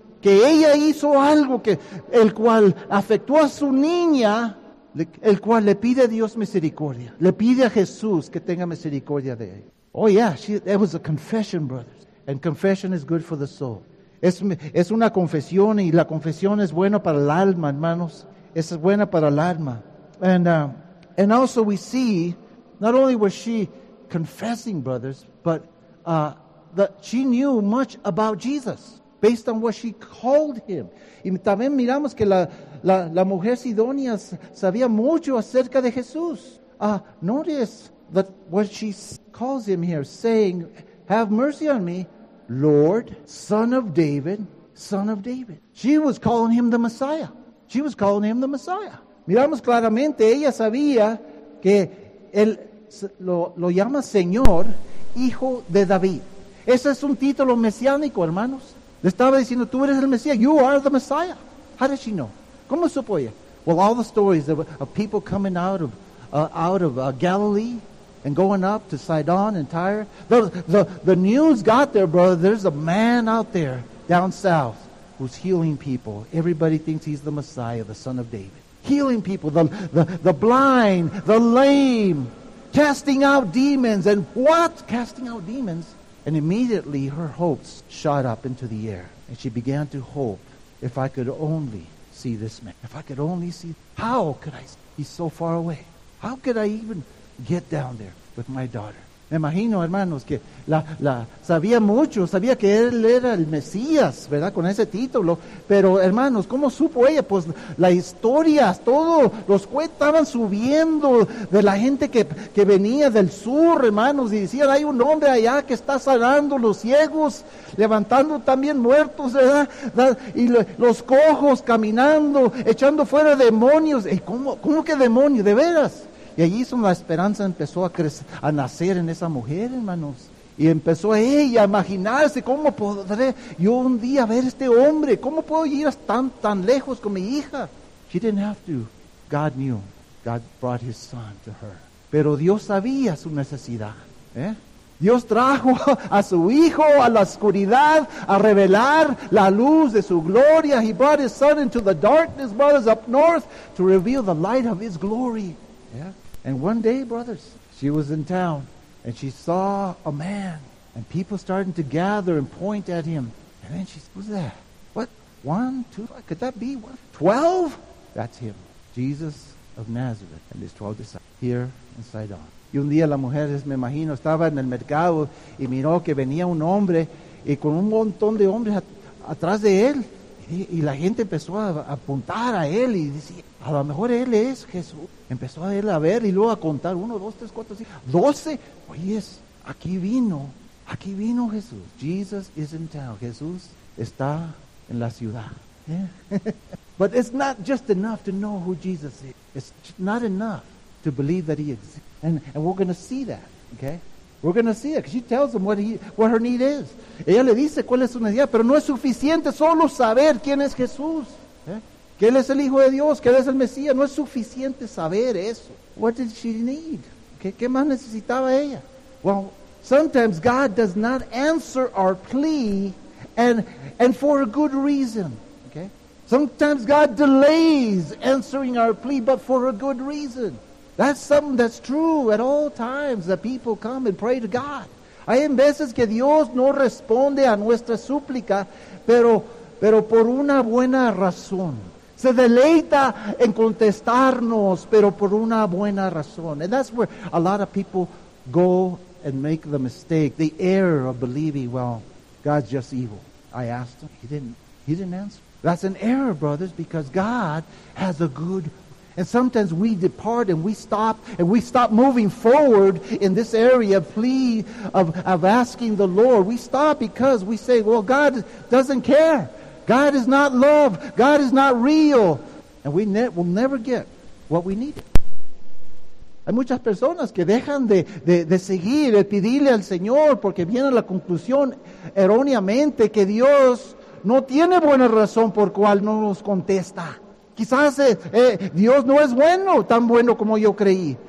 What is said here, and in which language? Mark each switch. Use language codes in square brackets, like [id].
[es] Que ella hizo algo que el cual afectó a su niña, el cual le pide a Dios misericordia. Le pide a Jesús que tenga misericordia de ella. [en] Oh yeah, that was a confession, brothers. And confession is good for the soul. [es] Es una confesión y la confesión es buena para el alma, hermanos. Es buena para el alma. [en] And also we see, not only was she confessing, brothers, but that she knew much about Jesus based on what she called him. [es] Y también miramos que la mujer Sidonia sabía mucho acerca de Jesús. [en] Notice that what she calls him here, saying, have mercy on me, Lord, Son of David, Son of David. She was calling him the Messiah. She was calling him the Messiah. [es] Miramos claramente, ella sabía que él lo llama Señor, Hijo de David. Ese es un título mesiánico, hermanos. Le estaba diciendo, tú eres el Mesías, [en] you are the Messiah. How did she know? [es] ¿Cómo supo ella? [en] Well, all the stories of people coming out of Galilee and going up to Sidon and Tyre. The news got there, brother. There's a man out there down south who's healing people. Everybody thinks he's the Messiah, the Son of David. Healing people, the blind, the lame, casting out demons. And what? Casting out demons. And immediately her hopes shot up into the air. And she began to hope, if I could only see this man. If I could only see, how could I? He's so far away. How could I even get down there with my daughter? [es] Me imagino, hermanos, que la sabía mucho, sabía que él era el Mesías, ¿verdad? Con ese título. Pero, hermanos, ¿cómo supo ella? Pues las historias, todos los jueces estaban subiendo de la gente que venía del sur, hermanos, y decían, hay un hombre allá que está sanando los ciegos, levantando también muertos, ¿verdad? Y los cojos caminando, echando fuera demonios. ¿Y cómo que demonio? ¿De veras? Y allí la esperanza empezó a nacer en esa mujer, hermanos. Y empezó ella a imaginarse, ¿cómo podré yo un día ver este hombre? ¿Cómo puedo ir tan lejos con mi hija? [en] She didn't have to. God knew. God brought his son to her. [es] Pero Dios sabía su necesidad. ¿Eh? Dios trajo a su hijo a la oscuridad a revelar la luz de su gloria. [en] He brought his son into the darkness, brothers, up north to reveal the light of his glory. Yeah. And one day, brothers, she was in town and she saw a man and people starting to gather and point at him. And then she said, who's that? What? 1, 2, 5? Could that be 12? That's him. Jesus of Nazareth and his 12 disciples here in Sidon. [es] Y un día la mujer, me imagino, estaba en el mercado y miró que venía un hombre y con un montón de hombres atrás de él. Y la gente empezó a apuntar a él y decía, a lo mejor él es Jesús. Empezó a él a ver y luego a contar, 1, 2, 3, 4, 5, 12. Oye, aquí vino Jesús. [en] Jesus is in town. [es] Jesús está en la ciudad. [en] Yeah. But it's not just enough to know who Jesus is. It's not enough to believe that he exists. And we're going to see that, okay? We're going to see it. Because she tells him what her need is. [es] Ella le dice cuál es su necesidad, pero no es suficiente solo saber quién es Jesús. Que él es el Hijo de Dios, que él es el Mesías. No es suficiente saber eso. [en] What did she need? [es] Okay? ¿Qué más necesitaba ella? [en] Well, sometimes God does not answer our plea and for a good reason, okay? Sometimes God delays answering our plea, but for a good reason. That's something that's true at all times that people come and pray to God. [es] Hay veces que Dios no responde a nuestra súplica, pero por una buena razón. Se deleita en contestarnos, pero por una buena razón. [en] And that's where a lot of people go and make the mistake, the error of believing, well, God's just evil. I asked him. He didn't answer. That's an error, brothers, because God has a good reason. And sometimes we depart and we stop moving forward in this area of asking the Lord. We stop because we say, well, God doesn't care. God is not love. God is not real. And we will never get what we need. [es] Hay muchas personas que dejan de seguir y pedirle al Señor porque viene la conclusión erróneamente que Dios no tiene buena razón por cual no nos contesta. Quizás Dios no es bueno, tan bueno como yo creí.